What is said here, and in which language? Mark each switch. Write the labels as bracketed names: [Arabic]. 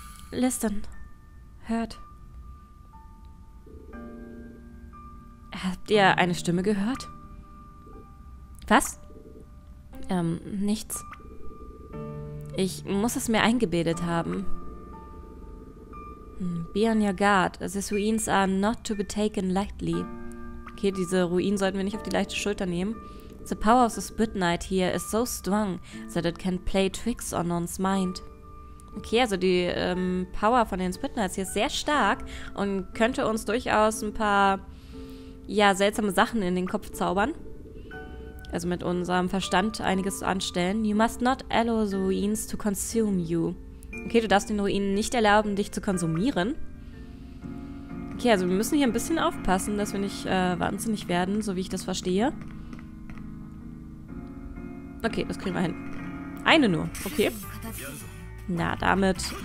[English] Listen. [German] Hört. Habt ihr eine Stimme gehört? Was? Nichts. Ich muss es mir eingebildet haben. [English] Be on your guard. These ruins are not to be taken lightly. [German] Okay, diese Ruinen sollten wir nicht auf die leichte Schulter nehmen. [English] The power of the Spirit Knight here is so strong that it can play tricks on one's mind. [German] Okay, also die Power von den Spirit Knights hier ist sehr stark und könnte uns durchaus ein paar... ja, seltsame Sachen in den Kopf zaubern. Also mit unserem Verstand einiges anstellen. [English] You must not allow the ruins to consume you. [German] Okay, du darfst den Ruinen nicht erlauben, dich zu konsumieren. Okay, also wir müssen hier ein bisschen aufpassen, dass wir nicht wahnsinnig werden, so wie ich das verstehe. Okay, das kriegen wir hin. Eine nur, okay. Na, damit...